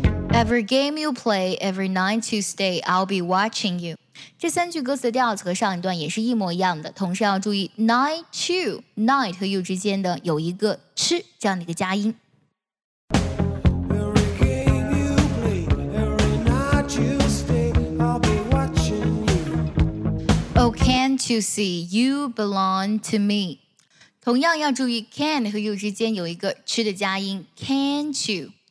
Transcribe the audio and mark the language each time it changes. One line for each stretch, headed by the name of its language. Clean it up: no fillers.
English: Every game you play, every night you stay, I'll be watching you.
Chinese: 这三句歌词的调子和上一段也是一模一样的，同时要注意 night you, night 和 you 之间的有一个吃这样的一个加音。
English: Oh, can't you see, you belong to me.
Chinese: 同样要注意 can 和 you 之间有一个吃的加音 can't you.